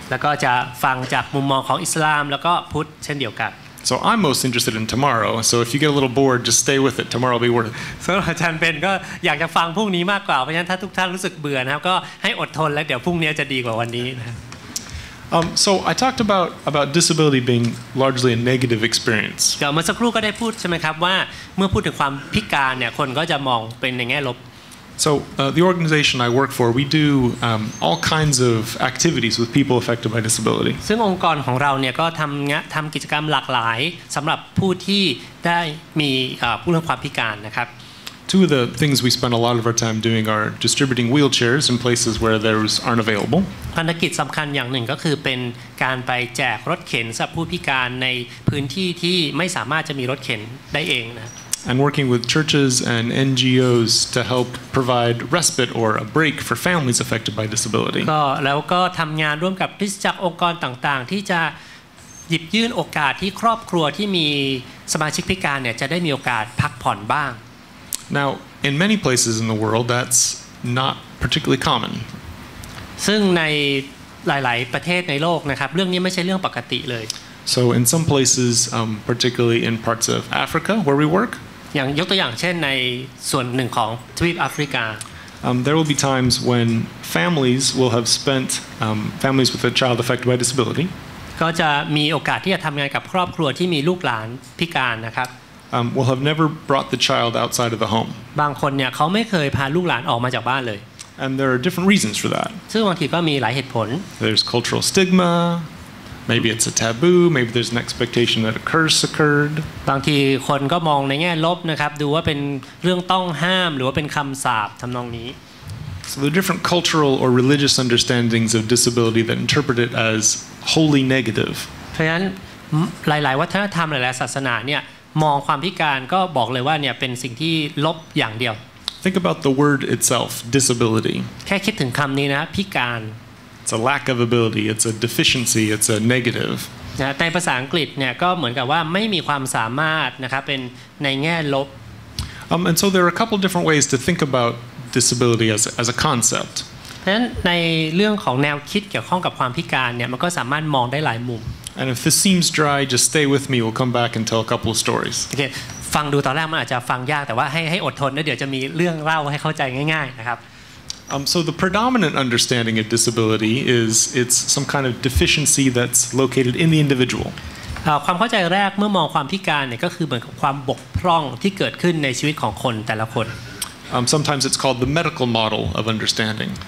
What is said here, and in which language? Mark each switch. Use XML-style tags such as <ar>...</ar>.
<th>แล้วก็จะฟังจากมุมมองของอิสลามแล้วก็พุทธเช่นเดียวกัน</th> <en>So I'm most interested in tomorrow. So if you get a little bored, just stay with it. Tomorrow will be worth it.</en> <th>สำหรับอาจารย์เป็นก็อยากจะฟังพรุ่งนี้มากกว่าเพราะฉะนั้นถ้าทุกท่านรู้สึกเบื่อนะครับก็ให้อดทนแล้วเดี๋ยวพรุ่งนี้จะดีกว่าวันนี้นะ</th> <en>So I talked about disability being largely a negative experience.</en> <th>เมื่อสักครู่ก็ได้พูดใช่ไหมครับว่าเมื่อพูดถึงความพิการเนี่ยคนก็จะมองเป็นในแง่ลบ</th> <en>So the organization I work for, we do all kinds of activities with people affected by disability.</en> <th>ซึ่งองค์กรของเราเนี่ยก็ทำกิจกรรมหลากหลายสำหรับผู้ที่ได้มีผู้เรื่องความพิการนะครับ</th> <en>Two of the things we spend a lot of our time doing are distributing wheelchairs in places where those aren't available.</en> <th>ภารกิจสำคัญอย่างหนึ่งก็คือเป็นการไปแจกรถเข็นสำหรับผู้พิการในพื้นที่ที่ไม่สามารถจะมีรถเข็นได้เองนะ</th> <en>And working with churches and NGOs to help provide respite or a break for families affected by disability.</en> <th>แล้วก็ทำงานร่วมกับคริสตจักรองค์กรต่างๆที่จะหยิบยื่นโอกาสที่ครอบครัวที่มีสมาชิกพิการเนี่ยจะได้มีโอกาสพักผ่อนบ้าง</th> <en>Now, in many places in the world, that's not particularly common.</en> <th>ซึ่งในหลายๆประเทศในโลกนะครับเรื่องนี้ไม่ใช่เรื่องปกติเลย</th> <en>So in some places, particularly in parts of Africa where we work,</en> <th>อย่างยกตัวอย่างเช่นในส่วนหนึ่งของทวีปแอฟริกา</th> <en>there will be times when families will have spent families with a child affected by disability.</en> <th>ก็จะมีโอกาสที่จะทำงานกับครอบครัวที่มีลูกหลานพิการนะครับ</th> <en>will have never brought the child outside of the home.</en> <th>บางคนเนี่ยเขาไม่เคยพาลูกหลานออกมาจากบ้านเลย</th> <en>And there are different reasons for that.</en> <th>ซึ่งบางทีก็มีหลายเหตุผล</th> <en>There's cultural stigma. Maybe it's a taboo. Maybe there's an expectation that a curse occurred.</en> <th>บางทีคนก็มองในแง่ลบนะครับดูว่าเป็นเรื่องต้องห้ามหรือว่าเป็นคำสาปทำนองนี้</th> <en>So the different cultural or religious understandings of disability that interpret it as wholly negative.</en> <th>เพราะฉะนั้นหลายๆวัฒนธรรมหลายๆศาสนาเนี่ยมองความพิการก็บอกเลยว่าเนี่ยเป็นสิ่งที่ลบอย่างเดียว</th> <en>Think about the word itself, disability.</en> <th>แค่คิดถึงคำนี้นะพิการ</th> <en>It's a lack of ability. It's a deficiency. It's a negative.</en> <th>ในภาษาอังกฤษเนี่ยก็เหมือนกับว่าไม่มีความสามารถนะครับเป็นในแง่ลบ</th> <en>And so there are a couple different ways to think about disability as a concept.</en> <th>เพราะฉะนั้นในเรื่องของแนวคิดเกี่ยวข้องกับความพิการเนี่ยมันก็สามารถมองได้หลายมุม</th> <en>And if this seems dry, just stay with me. We'll come back and tell a couple of stories. Okay.</en> <th>ฟังดูตอนแรกมันอาจจะฟังยากแต่ว่าให้อดทนนะเดี๋ยวจะมีเรื่องเล่าให้เข้าใจง่ายๆนะครับ</th> <en>So the predominant understanding of disability is it's some kind of deficiency that's located in the individual.</en> <th>ความเข้าใจแรกเมื่อมองความพิการเนี่ยก็คือเหมือนความบกพร่องที่เกิดขึ้นในชีวิตของคนแต่ละคน</th> <en>Sometimes it's called the medical model of understanding.</en>